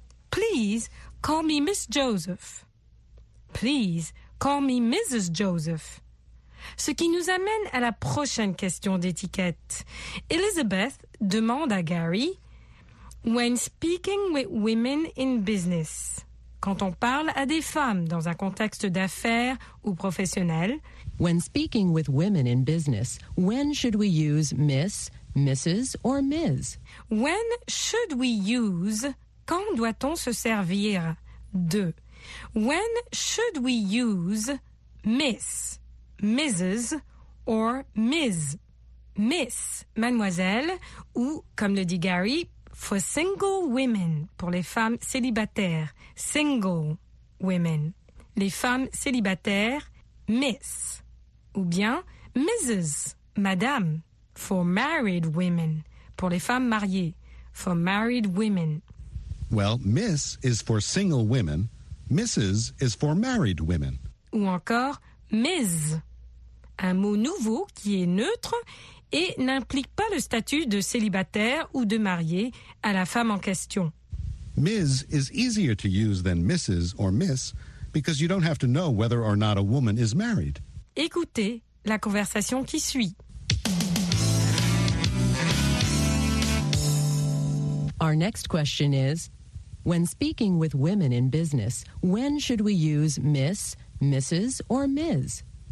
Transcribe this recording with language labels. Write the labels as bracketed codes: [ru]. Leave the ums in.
[en] Please call me Miss Joseph. Please call me Mrs. Joseph. [fr] Ce qui nous amène à la prochaine question d'étiquette. Elizabeth demande à Gary, [en] When speaking with women in business. [fr] Quand on parle à des femmes dans un contexte d'affaires ou professionnel. [en] When speaking with women in business, when should we use Miss, Mrs. or Ms. When should we use? [fr] Quand doit-on se servir de? [en] When should we use Miss, Mrs. or Ms. Miss? [fr] miss, mademoiselle, ou comme le dit Gary, [en] for single women, [fr] pour les femmes célibataires. [en] Single women, [fr] les femmes célibataires, miss. Ou bien Mrs. Madame, [en] for married women, [fr] pour les femmes mariées. [en] For married women. Well, Miss is for single women, Mrs. is for married women. [fr] Ou encore miss, Un mot nouveau qui est neutre et n'implique pas le statut de célibataire ou de marié à la femme en question. [en] Ms is easier to use than Mrs or Miss because you don't have to know whether or not a woman is married. [fr] Écoutez la conversation qui suit. [en] Our next question is When speaking with women in business, when should we use Miss, Mrs, or Ms?